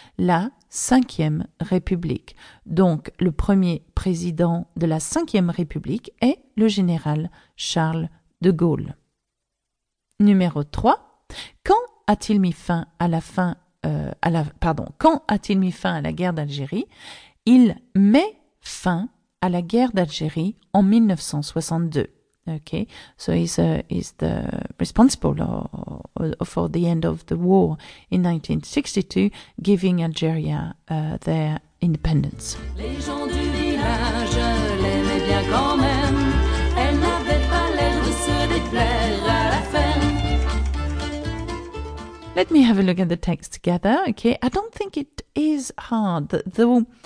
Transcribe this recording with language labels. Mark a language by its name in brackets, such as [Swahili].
[French] La Cinquième République. Donc, le premier président de la Cinquième République est le général Charles de Gaulle. Numéro 3. Quand a-t-il mis fin à la guerre d'Algérie? Il met fin à la guerre d'Algérie en 1962. [English] Okay, so he's the responsible for the end of the war in 1962, giving Algeria their independence. [French] Les gens du village l'aimaient bien quand même. Elle n'avait pas l'air de se déplaire à la ferme. [English] Let me have a look at the text together. Okay, I don't think it is hard, though.